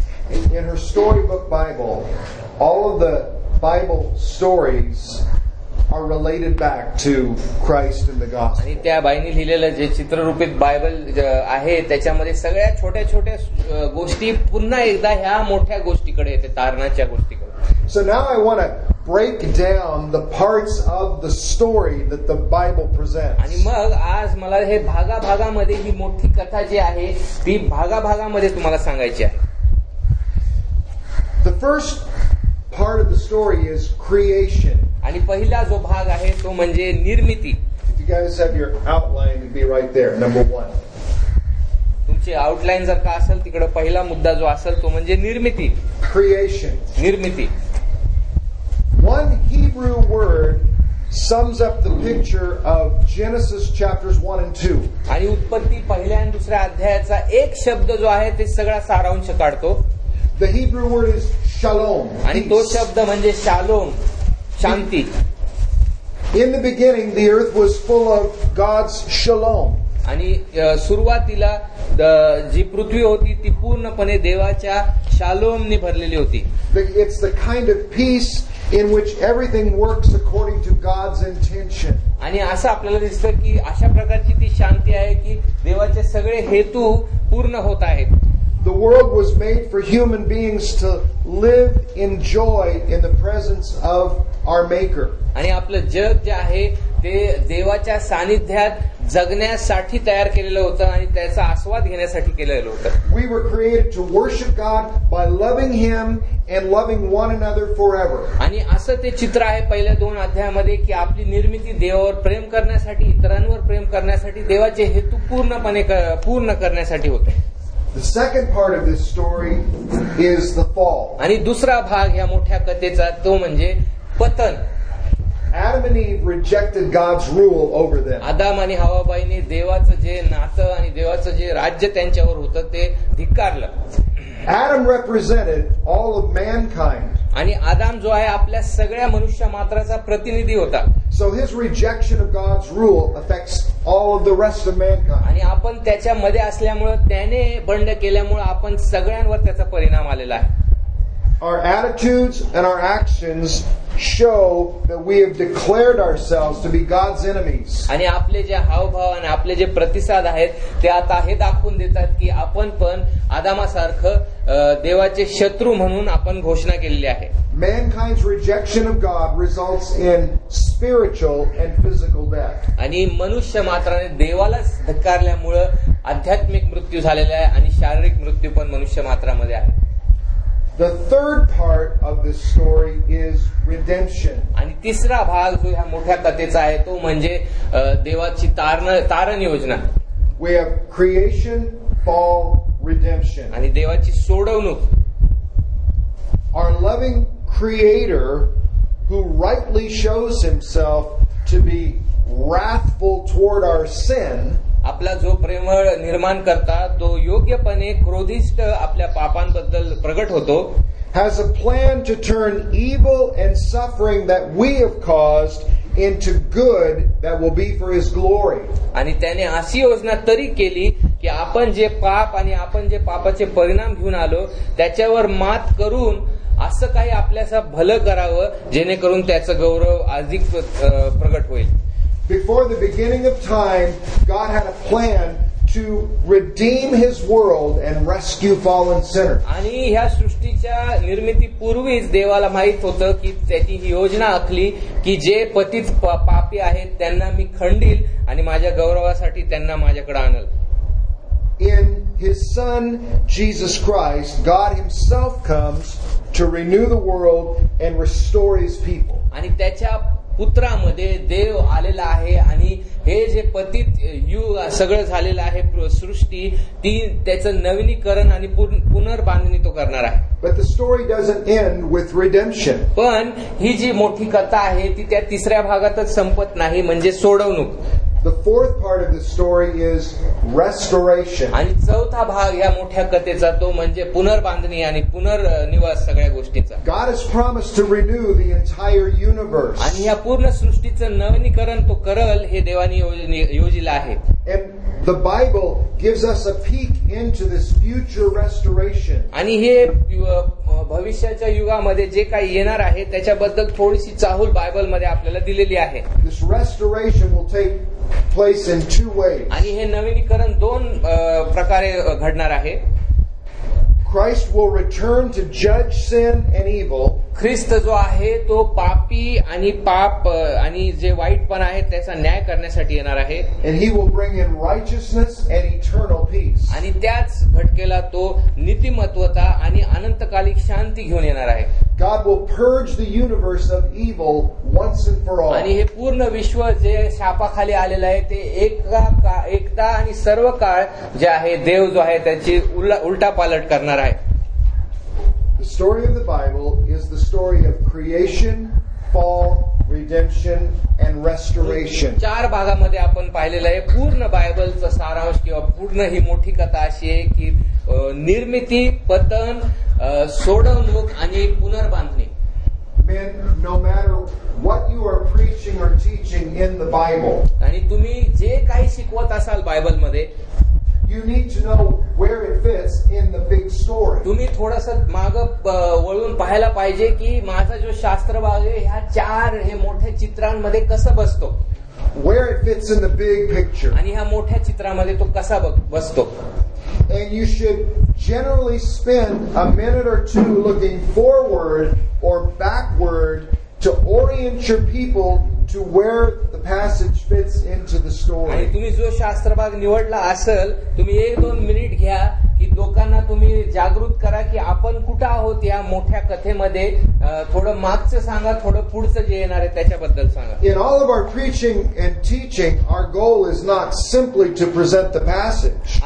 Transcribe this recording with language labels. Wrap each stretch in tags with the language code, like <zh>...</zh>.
<en>In her storybook Bible, all of the Bible stories are related back to Christ and the gospel.</en> <mr>आणि त्या बाईने लिहिलेलं जे चित्ररूपित Bible आहे त्याच्यामध्ये सगळ्या छोट्या छोट्या गोष्टी पुन्हा एकदा ह्या मोठ्या गोष्टीकडे येते तारणाच्या गोष्टीकडे.</mr> <en>So now I want to break down the parts of the story that the Bible presents.</en> <mr>आणि मग आज मला हे भागा भागामध्ये ही मोठी कथा जी आहे ती भागा भागामध्ये तुम्हाला सांगायची आहे.</mr> <en>The first part of the story is creation.</en> <mr>आणि पहिला जो भाग आहे तो म्हणजे निर्मिती.</mr> <en>If you guys have your outline, it'd be right there, number one.</en> <mr>तुमची आउटलाईन जर का असेल तिकडे पहिला मुद्दा जो असेल तो म्हणजे निर्मिती.</mr> <en>creation</en> <mr>निर्मिती.</mr> <en>One Hebrew word sums up the picture of Genesis chapters 1 and 2.</en> <mr>आणि उत्पत्ती पहिल्या आणि दुसऱ्या अध्यायाचा एक शब्द जो आहे ते सगळा सारांश काढतो.</mr> <en>The Hebrew word is shalom.</en> <mr>आणि तो शब्द म्हणजे shalom Shanti.</mr> <en>In the beginning the earth was full of God's shalom.</en> <mr>आणि सुरुवातीला जी पृथ्वी होती ती पूर्णपणे देवाच्या शालोमने भरलेली होती.</mr> <en>It's the kind of peace in which everything works according to God's intention.</en> <mr>आणि असं आपल्याला दिसतं की अशा प्रकारची ती शांती आहे की देवाचे सगळे हेतू पूर्ण होत आहेत.</mr> <en>The world was made for human beings to live in joy in the presence of our maker.</en> <mr>आणि आपलं जग जे आहे ते देवाच्या सानिध्यात जगण्यासाठी तयार केलेलं होतं आणि त्याचा आस्वाद घेण्यासाठी केलेलं होतं.</mr> <en>We were created to worship God by loving him and loving one another forever.</en> <mr>आणि असं ते चित्र आहे पहिल्या दोन अध्यायामध्ये की आपली निर्मिती देवावर प्रेम करण्यासाठी इतरांवर प्रेम करण्यासाठी देवाचे हेतू पूर्णपणे पूर्ण करण्यासाठी होते.</mr> <en>The second part of this story is the fall.</en> <mr>आणि दुसरा भाग या मोठ्या कथेचा तो म्हणजे पतन.</mr> <en>Adam and Eve rejected God's rule over them.</en> <mr>आदम आणि हव्वा बाईने देवाचं जे नातं आणि देवाचं जे राज्य त्यांच्यावर होतं ते धिक्कारलं.</mr> <en>Adam represented all of mankind.</en> <mr>आणि आदम जो आहे आपल्या सगळ्या मनुष्य मात्राचा प्रतिनिधी होता.</mr> <en>So his rejection of God's rule affects all of the rest of mankind.</en> <mr>आणि आपण त्याच्यामध्ये असल्यामुळे त्याने बंड केल्यामुळे आपण सगळ्यांवर त्याचा परिणाम आलेला आहे.</mr> <en>Our attitudes and our actions show that we have declared ourselves to be God's enemies.</en> <mr>आणि आपले जे हावभाव आणि आपले जे प्रतिसाद आहेत ते आता हे दाखवून देतात की आपण पण आदमासारखं देवाचे शत्रू म्हणून आपण घोषणा केलेली आहे.</mr> <en>Mankind's rejection of God results in spiritual and physical death.</en> <mr>आणि मनुष्य मात्राने देवालाच धक्कारल्यामुळे आध्यात्मिक मृत्यू झालेला आहे आणि शारीरिक मृत्यू पण मनुष्य मात्रामध्ये आहे.</mr> <en>The third part of this story is redemption.</en> <mr>आणि तिसरा भाग जो ह्या मोठ्या कथेचा आहे तो म्हणजे देवाची तारण योजना.</mr> <en>We have creation, fall, redemption.</en> <mr>आणि देवाची सोडवणूक.</mr> <en>Our loving creator who rightly shows himself to be wrathful toward our sin.</en> <mr>आपला जो प्रेमळ निर्माण करता तो योग्यपणे क्रोधिष्ट आपल्या पापांबद्दल प्रगट होतो.</mr> <en>Has a plan to turn evil and suffering that we have caused into good that will be for his glory.</en> <mr>आणि त्याने अशी योजना तरी केली की आपण जे पाप आणि आपण जे पापाचे परिणाम घेऊन आलो त्याच्यावर मात करून असं काही आपल्याचं भलं करावं जेणेकरून त्याचा गौरव अधिक प्रगट होईल.</mr> <en>Before the beginning of time, God had a plan to redeem his world and rescue fallen sinners.</en> <mr>आणि ह्या सृष्टीच्या निर्मितीपूर्वीच देवाला माहित होतं की त्याची ही योजना आखली की जे पतित पापी आहेत त्यांना मी खंडील आणि माझ्या गौरवासाठी त्यांना माझ्याकडे आणल.</mr> <en>In his son Jesus Christ, God himself comes to renew the world and restore his people.</en> <mr>आणि त्याच्या पुत्रामध्ये देव आलेला आहे आणि हे जे पतित युग सगळं झालेलं आहे सृष्टी ती त्याचं नवीनीकरण आणि पुनर्बांधणी तो करणार आहे.</mr> <en>But the story doesn't end with redemption.</en> <mr>पण ही जी मोठी कथा आहे ती त्या तिसऱ्या भागातच संपत नाही म्हणजे सोडवणूक.</mr> <en>The fourth part of the story is restoration.</en> <mr>आणि चौथा भाग या मोठ्या कथेचा तो म्हणजे पुनर्बांधणी आणि पुनर्निवास सगळ्या गोष्टीचा.</mr> <en>God has promised to renew the entire universe.</en> <mr>आणि या पूर्ण सृष्टीचं नवीनीकरण तो करेल हे देवाने योजिला आहे.</mr> <en>And the Bible gives us a peek into this future restoration.</en> <mr>आणि हे भविष्याच्या युगामध्ये जे काही येणार आहे त्याच्याबद्दल थोडीशी चाहूल बायबल मध्ये आपल्याला दिलेली आहे.</mr> <en>This restoration will take place in two ways.</en> <mr>आणि हे नवीनीकरण दोन प्रकारे घडणार आहे.</mr> <en>Christ will return to judge sin and evil.</en> <mr>ख्रिस्त जो आहे तो पापी आणि पाप आणि जे वाईटपणा आहे त्याचा न्याय करण्यासाठी येणार आहे.</mr> <en>And he will bring in righteousness and eternal peace.</en> <mr>आणि त्याच घटकेला तो नीतिमत्वता आणि अनंतकालिक शांती घेऊन येणार आहे.</mr> <en>God will purge the universe of evil once and for all.</en> <mr>आणि हे पूर्ण विश्व जे शापाखाली आलेलं आहे ते एकदा आणि सर्व काळ जे आहे देव जो आहे त्याची उलटा पालट करणार आहे.</mr> <en>The story of the Bible is the story of creation, fall, redemption and restoration.</en> <mr>चार भागामध्ये आपण पाहिलेलं आहे पूर्ण बायबलचा सारांश किंवा पूर्ण ही मोठी कथा अशी आहे की निर्मिती पतन सोडवणूक आणि पुनर्बांधणी.</mr> <en>Men, no matter what you are preaching or teaching in the Bible.</en> <mr>आणि तुम्ही जे काही शिकवत असाल बायबल मध्ये</mr> <en>you need to know where it fits in the big story.</en> <mr>तुम्ही थोडासा माग वळून पाहायला पाहिजे की माझा जो शास्त्र भाग आहे ह्या चार हे मोठ्या चित्रांमध्ये कसा बसतो.</mr> <en>Where it fits in the big picture.</en> <mr>आणि ह्या मोठ्या चित्रामध्ये तो कसा बसतो.</mr> <en>And you should generally spend a minute or two looking forward or backward to orient your people to where the passage fits into the story.</en> <mr>आणि तुम्ही जो शास्त्र भाग निवडला असेल तुम्ही एक दोन मिनिट घ्या की लोकांना तुम्ही जागृत करा की आपण कुठे आहोत या मोठ्या कथेमध्ये थोडं मागचं सांगा थोडं पुढचं जे येणार आहे त्याच्याबद्दल सांगा.</mr> <en>In all of our preaching and teaching our goal is not simply to present the passage.</en>